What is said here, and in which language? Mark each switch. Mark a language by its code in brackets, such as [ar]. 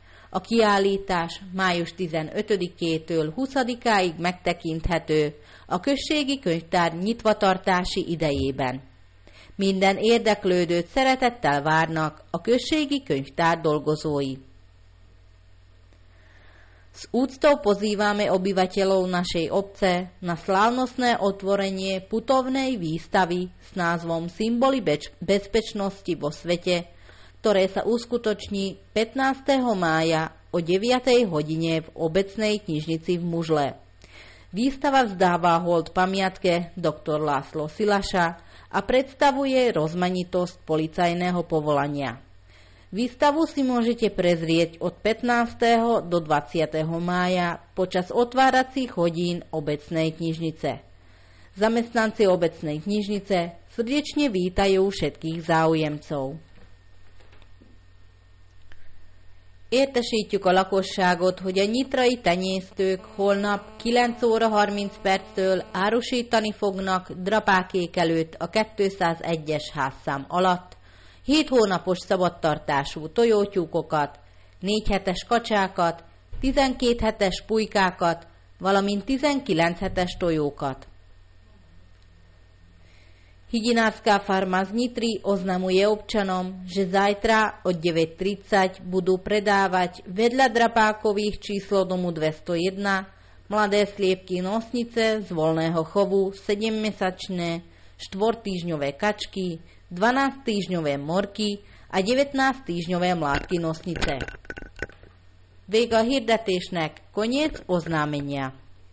[hu] A kiállítás május 15-től 20-áig megtekinthető a Községi Könyvtár nyitvatartási idejében. Minden érdeklődőt szeretettel várnak a Községi Könyvtár dolgozói. [sk] S úctou pozývame obyvateľov našej obce na slávnostné otvorenie putovnej výstavy s názvom Symboly bezpečnosti vo svete, ktoré sa uskutoční 15. mája o 9. hodine v obecnej knižnici v Mužle. Výstava vzdáva hold pamiatke dr. László Szilasa a predstavuje rozmanitosť policajného povolania. Výstavu si môžete prezrieť od 15. do 20. mája počas otváracích hodín obecnej knižnice. Zamestnanci obecnej knižnice srdečne vítajú všetkých záujemcov. [hu] Értesítjük a lakosságot, hogy a nyitrai tenyésztők holnap 9 óra 30 perctől árusítani fognak drapákék előtt a 201-es házszám alatt 7 hónapos szabadtartású tojótyúkokat, 4 hetes kacsákat, 12 hetes pulykákat, valamint 19 hetes tojókat. [sk] Hygienická farmáz Nitri oznamuje občanom, že zajtra od 9.30 budú predávať vedľa drapákových číslo domu 201 mladé sliepky nosnice z voľného chovu 7-mesačné, 4-týždňové kačky, 12-týždňové morky a 19-týždňové mládky nosnice. [hu] Vége a hirdetésnek, [sk] koniec oznámenia.